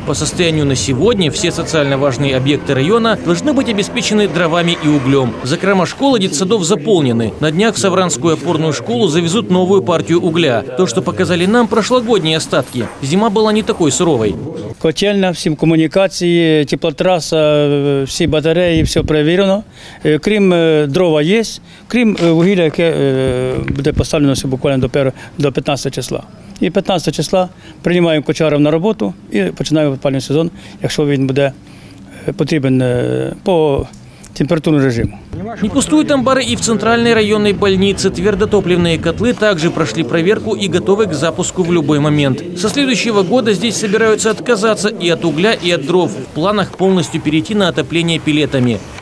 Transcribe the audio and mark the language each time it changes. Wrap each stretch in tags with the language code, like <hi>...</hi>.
<ru>По состоянию на сегодня все социально важные объекты района должны быть обеспечены дровами и углем. Закрома школ и детсадов заполнены. На днях в Савранскую опорную школу завезут новую партию угля. То, что показали нам прошлогодние остатки. Зима была не такой суровой. Котельно, всем коммуникации, теплотрасса, все батареи, все проверено.</ru> <uk>Крым</uk> <ru>дрова есть,</ru> <uk>крім вугілля, яке буде поставлено буквально до 15 числа. І 15 числа приймаємо кочарів на роботу і починаємо опалювальний сезон, якщо він буде потрібен по температурному режиму.</uk> <ru>Не пустуют амбары и в центральной районной больнице. Твердотопливные котлы также прошли проверку и готовы к запуску в любой момент. Со следующего года здесь собираются отказаться и от угля, и от дров. В планах полностью перейти на отопление пелетами.</ru>